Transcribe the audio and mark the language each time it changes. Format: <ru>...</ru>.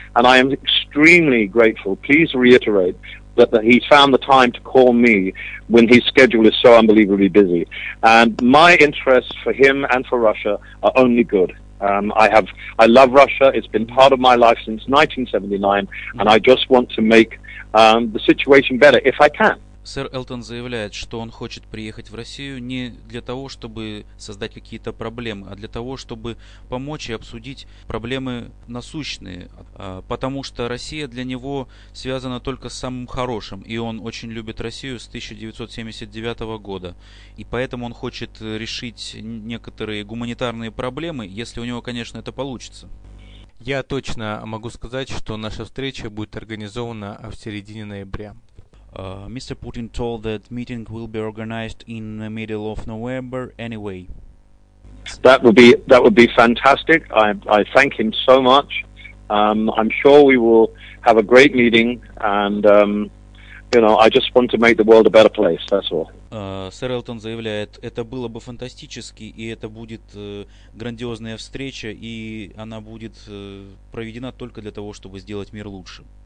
<en>And I am extremely grateful. Please reiterate that he found the time to call me when his schedule is so unbelievably busy. And my interests for him and for Russia are only good. I love Russia. It's been part of my life since 1979. And I just want to make the situation better if I can.</en> <ru>Сэр Элтон заявляет, что он хочет приехать в Россию не для того, чтобы создать какие-то проблемы, а для того, чтобы помочь и обсудить проблемы насущные, потому что Россия для него связана только с самым хорошим, и он очень любит Россию с 1979 года, и поэтому он хочет решить некоторые гуманитарные проблемы, если у него, конечно, это получится. Я точно могу сказать, что наша встреча будет организована в середине ноября.</ru> <en>Mr. Putin told that meeting will be organized in the middle of November anyway. That would be fantastic. I thank him so much. I'm sure we will have a great meeting, and you know, I just want to make the world a better place, that's all.</en> <ru>Сэр Элтон заявляет, это было бы фантастически, и это будет грандиозная встреча, и она будет проведена только для того, чтобы сделать мир лучше.</ru>